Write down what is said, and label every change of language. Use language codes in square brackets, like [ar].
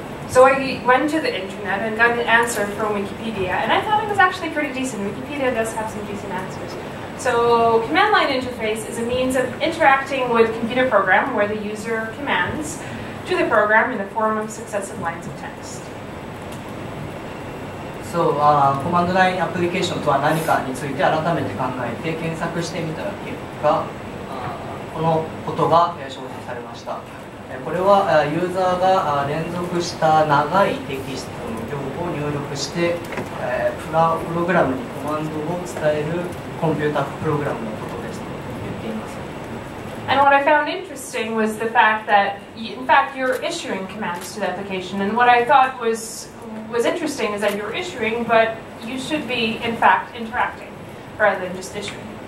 [en] So I went to the internet and got an answer from Wikipedia, and I thought it was actually pretty decent. Wikipedia does have some decent answers. So command line interface is a means of interacting with computer program where the user commands to the program in the form of successive lines of text. [ja] So, command line application とは何かについて改めて考えて検索してみた結果、このことが承認されました。これはユーザーが連続した長いテキストの行を入力してプログラムにコマンドを伝えるコンピュータプログラムのことですと言っています。 [en] And what I found interesting was the fact that, in fact, you're issuing commands to the application. And what I thought was interesting is that you're issuing, but you should be, in fact, interacting rather than just issuing.